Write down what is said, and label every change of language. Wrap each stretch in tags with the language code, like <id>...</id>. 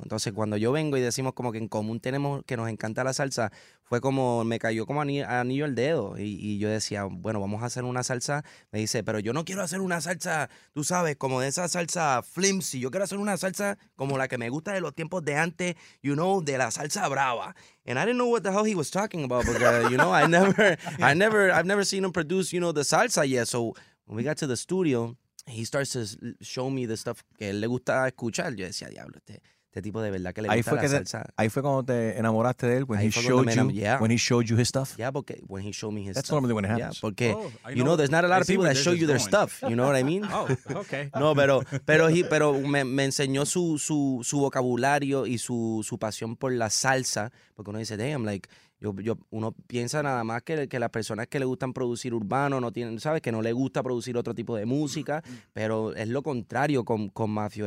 <es>Entonces, cuando yo vengo y decimos como que en común tenemos que nos encanta la salsa, fue como, me cayó como anillo el dedo. Y yo decía, bueno, vamos a hacer una salsa. Me dice, pero yo no quiero hacer una salsa, tú sabes, como de esa salsa flimsy. Yo quiero hacer una salsa como la que me gusta de los tiempos de antes,</es> <en>you know,</en> <es>de la salsa brava.</es> <en>And I didn't know what the hell he was talking about, because, you know, I've never seen him produce, you know, the salsa yet. So when we got to the studio, he starts to show me the stuff</en> <es>que él le gusta escuchar. Yo decía, diablo, este tipo de verdad que le gusta la salsa. Ahí fue cuando te enamoraste de él,</es> <en>when he showed you his stuff. Yeah, because when he showed me his stuff. That's normally when it happens. Yeah,</en> <es>porque,</es> <en>you know, there's not a lot of people that show you their stuff, you know what I mean? Oh, okay.</en> <es>No, pero me enseñó su vocabulario y su pasión por la salsa, porque uno dice, damn, like, uno piensa nada más que las personas que le gustan producir urbano no tienen, ¿sabes? Que no le gusta producir otro tipo de música, pero es lo contrario con Mafio.</es>